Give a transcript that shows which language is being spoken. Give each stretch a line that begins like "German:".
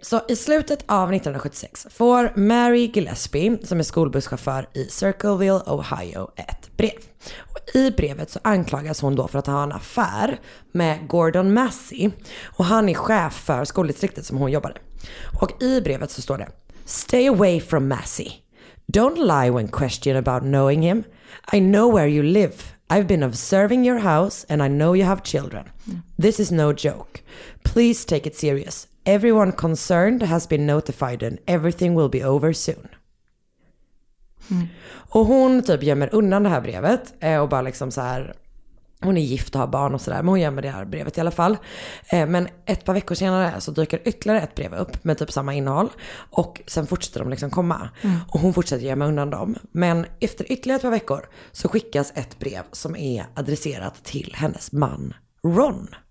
Swedish: så i slutet av 1976 får Mary Gillespie, som är skolbusschaufför i Circleville, Ohio, ett brev. Och i brevet så anklagas hon då för att ha en affär med Gordon Massey, och han är chef för skoldistriktet som hon jobbade. Och i brevet så står det,
English: "Stay away from Massey. Don't lie when questioned about knowing him. I know where you live. I've been observing your house and I know you have children. This is no joke. Please take it serious. Everyone concerned has been notified and everything will be over soon. Mm.
Swedish: Och hon typ gömmer undan det här brevet och bara liksom så här, hon är gift och har barn och sådär, men hon gömmer det här brevet i alla fall. Men ett par veckor senare så dyker ytterligare ett brev upp med typ samma innehåll och sen fortsätter de liksom komma. Mm. Och hon fortsätter gömma undan dem. Men efter ytterligare ett par veckor så skickas ett brev som är adresserat till hennes man Ron.